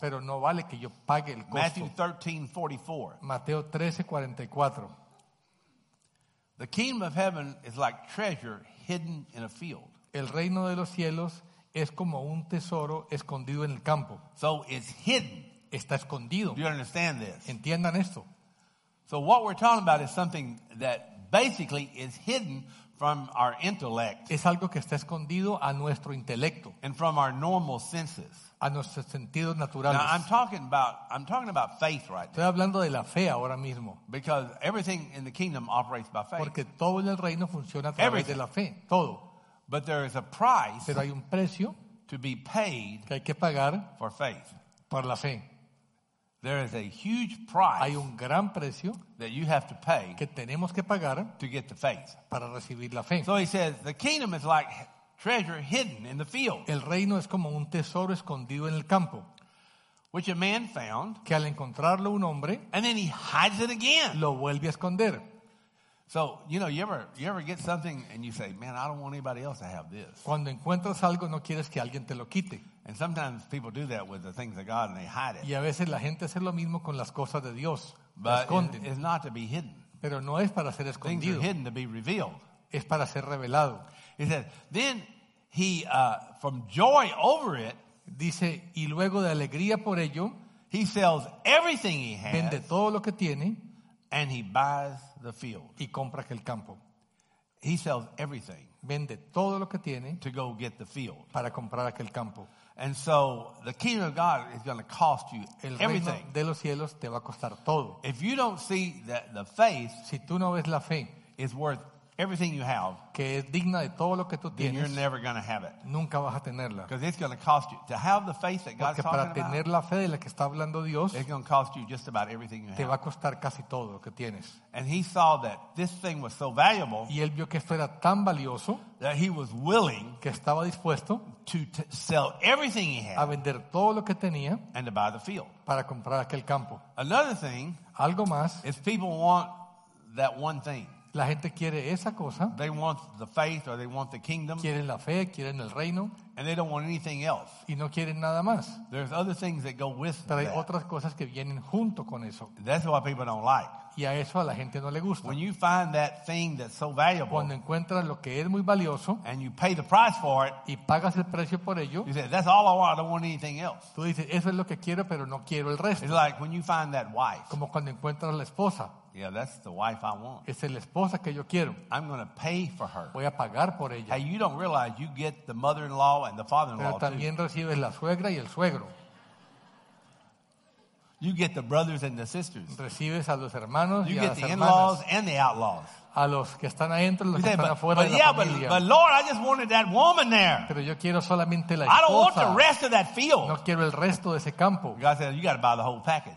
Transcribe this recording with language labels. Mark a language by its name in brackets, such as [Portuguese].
[Spanish] Pero no vale que yo pague el costo. [English] Matthew 13:44. [Spanish] Mateo 13:44. [English] The kingdom of heaven is like treasure hidden in a field. [Spanish] El reino de los cielos es como un tesoro escondido en el campo. [English] So it's hidden. [Spanish] Está escondido. [English] Do you understand this? [Spanish] Entiendan esto. [English] So what we're talking about is something that basically is hidden from our intellect. [Spanish] Es algo que está escondido a nuestro intelecto. [English] And from our normal senses. [Spanish] A nuestros sentidos naturales. [English] Now I'm talking about faith right [Spanish] estoy [English] now. [Spanish] Hablando de la fe ahora mismo. [English] Because everything in the kingdom operates by faith. [Spanish] Porque todo en el reino funciona a través [English] everything. [Spanish] De la fe. Todo. [English] But there is a price. [Spanish] Pero hay un precio. [English] To be paid. [Spanish] Que hay que pagar. [English] For faith. [Spanish] Por la fe. [English] There is a huge price. [Spanish] Hay un gran precio [English] that you have to pay [Spanish] que tenemos que pagar [English] to get the faith. [Spanish] Para recibir la fe. [English] So he says, the kingdom is like treasure hidden in the field. [Spanish] El reino es como un tesoro escondido en el campo. [English] Which a man found. [Spanish] Que al encontrarlo un hombre. [English] And then he hides it again. [Spanish] Lo vuelve a esconder. [English] So, you know, you ever get something and you say, man, I don't want anybody else to have this. [Spanish] Cuando encuentras algo, no quieres que alguien te lo quite. [English] And sometimes people do that with the things of God and they hide it. [Spanish] Y a veces la gente hace lo mismo con las cosas de Dios. [English] But it's not to be hidden. [Spanish] Pero no es para ser escondido. [English] Things are hidden to be revealed. [Spanish] Es para ser revelado. [English] He said, then he, from joy over it, [Spanish] dice, y luego de alegría por ello, [English] he sells everything he has, [Spanish] vende todo lo que tiene, [English] and he buys the field. [Spanish] Y compra aquel campo. [English] He sells everything, [Spanish] vende todo lo que tiene, [English] to go get the field. [Spanish] Para comprar aquel campo. [English] And so the kingdom of God is going to cost you everything. [Spanish] El reino de los cielos te va a costar todo. [English] If you don't see that the faith, [Spanish] si tú no ves la fe, [English] is worth everything you have, [Spanish] que es digna de todo lo que tú tienes, [English] then you're never going to have it. [Spanish] Nunca vas a tenerla. [English] Because it's going to cost you. To have the faith that God's talking about, [Spanish] tener la fe de la que está hablando Dios, [English] it's going to cost you just about everything you [Spanish] te [English] have. [Spanish] Te va a costar casi todo lo que tienes. [English] And he saw that this thing was so valuable, [Spanish] y él vio que esto era tan valioso, [English] that he was willing, [Spanish] que estaba dispuesto, [English] to sell everything he had, [Spanish] a vender todo lo que tenía, [English] and to buy the field, [Spanish] para comprar aquel campo. [English] Another thing, [Spanish] algo más, [English] is people want that one thing. [Spanish] La gente quiere esa cosa. [English] They want the faith or they want the kingdom. [Spanish] Quieren la fe, quieren el reino. [English] And they don't want anything else. [Spanish] Y no quieren nada más. [English] There's other things that go with that. [Spanish] Pero hay [English] that. [Spanish] Otras cosas que vienen junto con eso. [English] That's what people don't like. [Spanish] Y a eso a la gente no le gusta. [English] When you find that thing that's so valuable, [Spanish] cuando encuentras lo que es muy valioso, [English] and you pay the price for it, [Spanish] y pagas el precio por ello, [English] you say, that's all I want, I don't want anything else. [Spanish] Tú dices, eso es lo que quiero, pero no quiero el resto. [English] It's like when you find that wife. [Spanish] Como cuando encuentras la esposa. [English] Yeah, that's the wife I want. [Spanish] Es la esposa que yo quiero. [English] I'm going to pay for her. [Spanish] Voy a pagar por ella. [English] Hey, you don't realize you get the mother-in-law and the father-in-law too. [Spanish] Pero también recibes la suegra y el suegro. [English] You get the brothers and the sisters. [Spanish] Recibes a los hermanos [English] you [Spanish] y [English] get [Spanish] a las [English] the [Spanish] hermanas. [English] In-laws and the outlaws. [Spanish] A los que están adentro y los que están afuera de la familia. [English] But Lord, I just wanted that woman there. [Spanish] Pero yo quiero solamente la esposa. [English] I don't want the rest of that field. [Spanish] No quiero el resto de ese campo. [English] God says, you got to buy the whole package.